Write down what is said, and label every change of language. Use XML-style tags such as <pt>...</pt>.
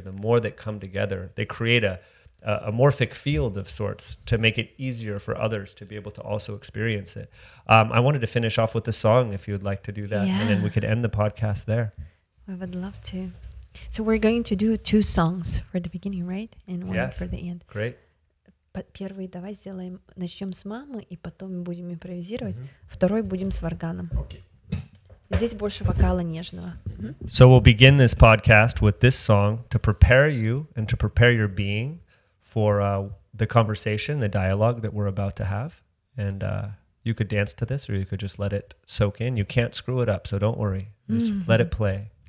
<en>The more that come together, they create a morphic field of sorts to make it easier for others to be able to also experience it. I wanted to finish off with a song, if you would like to do that. Yeah. And then we could end the podcast there. I would love to. So we're going to do two songs for the beginning, right? And one yes. for the end. Great.</en> <ru>But первый давай сделаем, начнем с мамы, и потом будем импровизировать. Mm-hmm. Второй будем с варганом.</ru> <en>Okay.</en> <ru>Здесь больше вокала нежного. Mm-hmm.</ru> <en>So we'll begin this podcast with this song to prepare you and to prepare your being for the conversation, the dialogue that we're about to have. And you could dance to this, or you could just let it soak in. You can't screw it up, so don't worry. Just mm-hmm. let it play.</en>